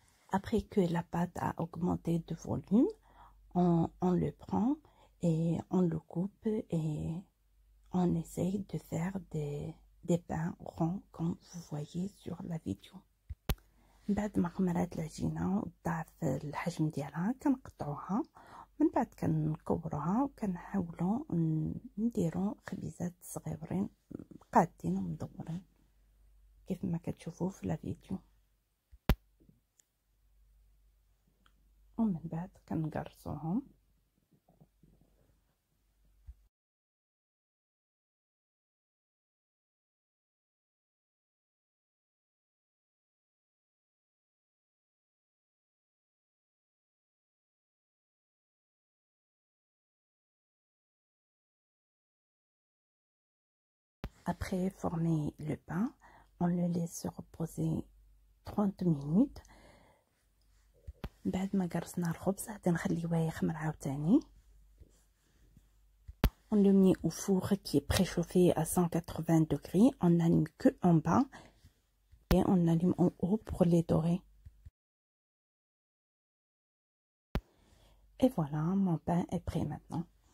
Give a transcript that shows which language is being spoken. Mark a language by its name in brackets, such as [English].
[French] Après que la pâte a augmenté de volume, on le prend et on le coupe et on essaye de faire des pains ronds comme vous voyez sur la vidéo. [Arabic] بعد ما خمرات العجينة وضعف الحجم ديالها كنقطعوها، من بعد كنكبروها وكنحاولو نديرو خبيزات صغيرين قادين ومدورين كيف ما كتشوفو في الفيديو، ومن بعد كنقرصوهم. [French] Après former le pain, on le laisse reposer 30 minutes. [Arabic] بعد ما قرصنا الخبز غادي نخليوه يخمر عاوتاني. [French] On le met au four qui est préchauffé à 180 degrés. On n'allume que en bas et on allume en haut pour les dorer. Et voilà, mon pain est prêt maintenant.